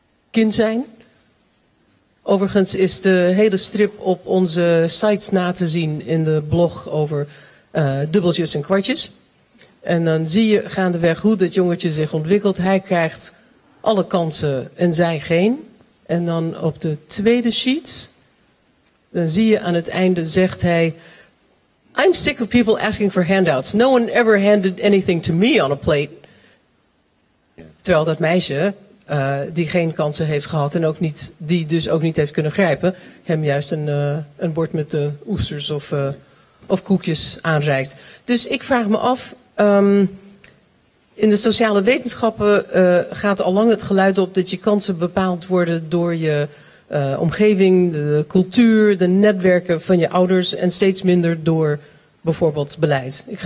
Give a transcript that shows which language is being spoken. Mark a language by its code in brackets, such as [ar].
[nl] kind zijn. Overigens is de hele strip op onze sites na te zien in de blog over dubbeltjes en kwartjes. En dan zie je gaandeweg hoe dat jongetje zich ontwikkelt. Hij krijgt alle kansen en zij geen. En dan op de tweede sheet, dan zie je aan het einde zegt hij, [en] I'm sick of people asking for handouts. No one ever handed anything to me on a plate. [nl] Terwijl dat meisje, die geen kansen heeft gehad en ook niet, die dus ook niet heeft kunnen grijpen, hem juist een bord met oesters of koekjes aanreikt. Dus ik vraag me af, in de sociale wetenschappen gaat al lang het geluid op dat je kansen bepaald worden door je omgeving, de cultuur, de netwerken van je ouders en steeds minder door bijvoorbeeld beleid.